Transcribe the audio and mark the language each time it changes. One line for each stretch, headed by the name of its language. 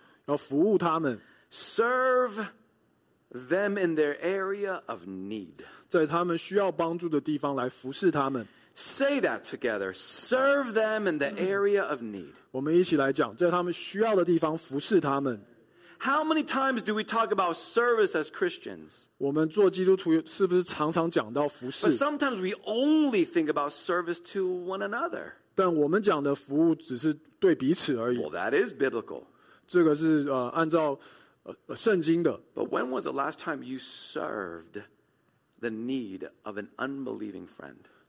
Chinese: 要服务他们。
English: Serve them in their area of need.
Chinese: 在他们需要帮助的地方来服侍他们。
English: Say that together. Serve them in the area of need.
Chinese: 我们一起来讲, 在他们需要的地方服侍他们。
English: How many times do we talk about service as Christians?
Chinese: 我们做基督徒是不是常常讲到服侍?
English: But sometimes we only think about service to one another.
Chinese: 但我们讲的服务只是对彼此而已。
English: Well, that is biblical.
Chinese: 这个是, 按照, 圣经的。
English: But when was the last time you served the need of an unbelieving friend?